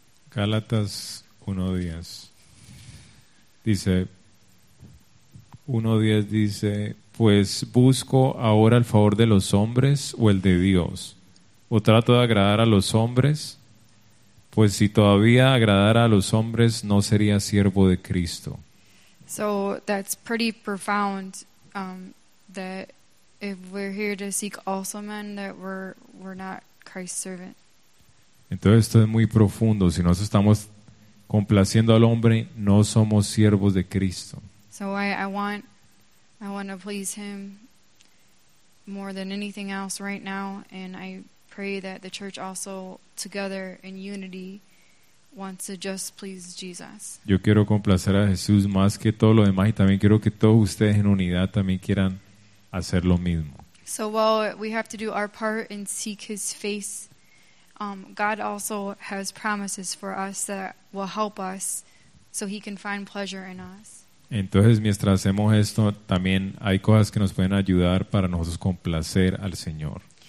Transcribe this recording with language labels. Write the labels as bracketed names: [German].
[Spanish] Gálatas 1:10 dice, 1:10 dice, "Pues busco ahora el favor de los hombres o el de Dios, o trato de agradar a los hombres, pues si todavía agradara a los hombres no sería siervo de Cristo." [English] So that's pretty profound, that if we're here to seek also men, that we're not Christ's servant. [Spanish] Entonces esto es muy profundo. Si nos estamos complaciendo al hombre, no somos siervos de Cristo. [English] So I want to please him more than anything else right now, and I pray that the church also together in unity wants to just please Jesus. [Spanish] Yo quiero complacer a Jesús más que todo lo demás, y también quiero que todos ustedes en unidad también quieran hacer lo mismo. [English] So while we have to do our part and seek his face, God also has promises for us that will help us so he can find pleasure in us. [Spanish] Entonces, mientras hacemos esto, también hay cosas que nos pueden ayudar para nosotros complacer al Señor.